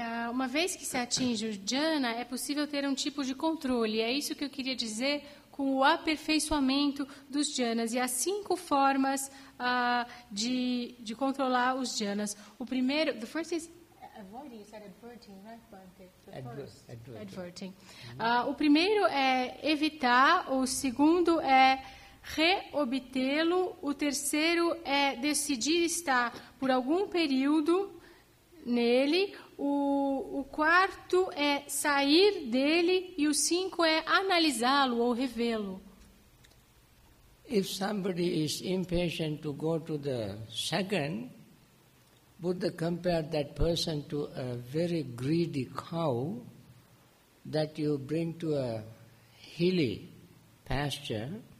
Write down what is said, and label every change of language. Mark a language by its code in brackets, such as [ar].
[pt] Uma vez que se atinge o jhana, é possível ter um tipo de controle. É isso que eu queria dizer com o aperfeiçoamento dos jhanas. E há cinco formas de controlar os jhanas. O primeiro, [en] the first is avoiding, you said adverting, right, Bhante? Adverting. [pt] O primeiro é evitar, o segundo é reobtê-lo, o terceiro é decidir estar por algum período nele, o quarto é sair dele e o cinco é analisá-lo ou revê-lo. [en] If somebody is impatient to go to the second, Buddha compared that person to a very greedy cow that you bring to a hilly pasture